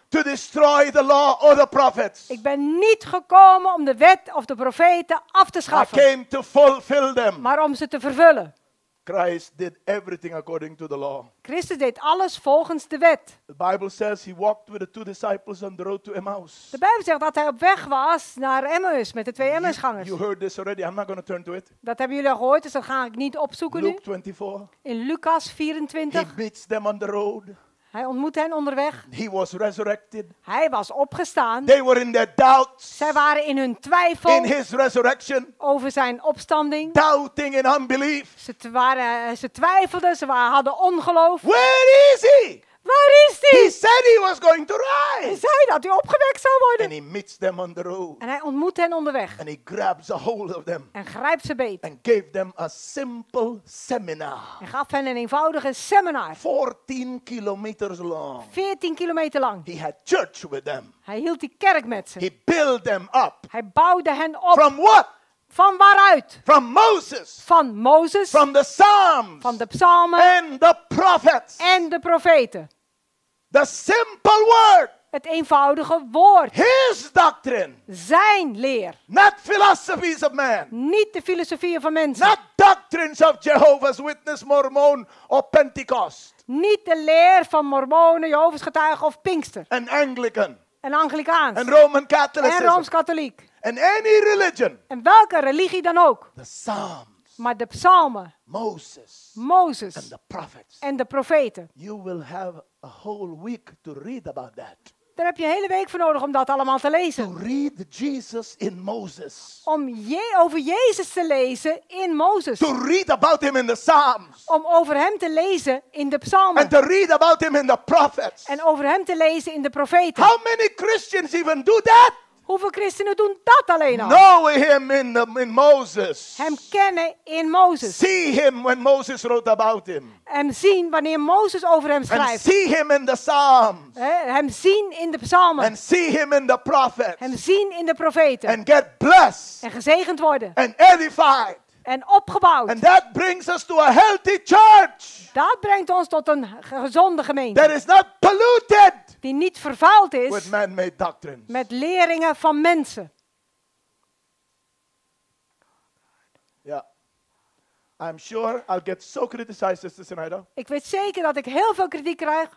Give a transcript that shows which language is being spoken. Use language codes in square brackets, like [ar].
[en] To destroy the law or the prophets. [nl] Ik ben niet gekomen om de wet of de profeten af te schaffen. [en] I came to fulfill them. [nl] Maar om ze te vervullen. [en] Christ did everything according to the law. [nl] Christus deed alles volgens de wet. [en] The Bible says he walked with the two disciples on the road to Emmaus. [nl] De Bijbel zegt dat hij op weg was naar Emmaus met de twee Emmausgangers. [en] You heard this already. I'm not going to turn to it. [nl] Dat hebben jullie al gehoord, dus dat ga ik niet opzoeken [en] Luke [nl] nu. [en] Luke 24. [nl] In Lucas 24. [en] He meets them on the road. [nl] Hij ontmoette hen onderweg. [en] He was resurrected. [nl] Hij was opgestaan. [en] They were in their doubts. [nl] Zij waren in hun twijfel. [en] In his resurrection. [nl] Over zijn opstanding. [en] Doubting in unbelief. [nl] Ze twijfelden, ze hadden ongeloof. [en] Where is he? [nl] Waar is hij? [en] He said he was going to rise. [nl] Hij zei dat hij opgewekt zou worden. [en] And he meets them on the road. [nl] En hij ontmoet hen onderweg. [en] And he grabs a hold of them. [nl] En grijpt ze beet. [en] And gave them a simple seminar. [nl] En gaf hen een eenvoudige seminar. [en] 14 kilometers long. [nl] 14 kilometer lang. [en] He had church with them. [nl] Hij hield die kerk met ze. [en] He built them up. [nl] Hij bouwde hen op. [en] From what? [nl] Van waaruit? [en] From Moses. [nl] Van Mozes. [en] From the Psalms. [nl] Van de psalmen. [en] And the prophets. [nl] En de profeten. [en] The simple word. [nl] Het eenvoudige woord. [en] His doctrine. [nl] Zijn leer. [en] Not philosophies of man. [nl] Niet de filosofieën van mensen. [en] Not doctrines of Jehovah's Witness, Mormon of Pentecost. [nl] Niet de leer van Mormonen, Jehovah's getuigen of Pinkster. [en] An Anglican. [nl] Een Anglicaans. [en] And Roman Catholic. [nl] En Rooms-Katholiek. [en] And any religion. [nl] En welke religie dan ook. [en] The Psalms. [nl] Maar de psalmen. [en] Moses. [nl] Moses. [en] And the prophets. [nl] En de profeten. [en] You will have a whole week to read about that. [nl] Daar heb je een hele week voor nodig om dat allemaal te lezen. [en] To read Jesus in Moses. [nl] Om over Jezus te lezen in Moses. [en] To read about him in the Psalms. [nl] Om over hem te lezen in de psalmen. [en] And to read about him in the prophets. [nl] En over hem te lezen in de profeten. [en] How many Christians even do that? [nl] Hoeveel christenen doen dat alleen al? [en] Knowing him in Moses. [nl] Hem kennen in Mozes. [en] See him when Moses wrote about him. [nl] Hem zien wanneer Mozes over hem schrijft. [en] And see him in the Psalms. [nl] Hem zien in de psalmen. [en] And see him in the prophets. [nl] Hem zien in de profeten. [en] And get blessed. [nl] En gezegend worden. [en] And edified. [nl] En opgebouwd. [en] And that brings us to a healthy church. [nl] Dat brengt ons tot een gezonde gemeente. [en] That is not polluted. [nl] Die niet vervuild is. [en] With man-made doctrines. [nl] Met leringen van mensen. [en] Yeah. I'm sure I'll get so criticized, Sister Sinaida. [nl] Ik weet zeker dat ik heel veel kritiek krijg.